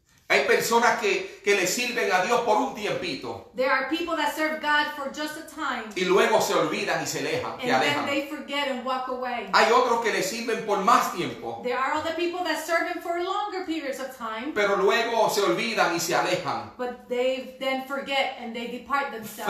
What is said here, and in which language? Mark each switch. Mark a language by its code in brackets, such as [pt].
[es] Hay personas que le sirven a Dios por un tiempito. [en] There are people that serve God for just a time. [es] Y luego se olvidan y se alejan. [en] And then they forget and walk away. [es] Hay otros que le sirven por más tiempo. [en] There are other people that serve him for longer periods of time. [es] Pero luego se olvidan y se alejan. [en] But they then forget and they depart themselves.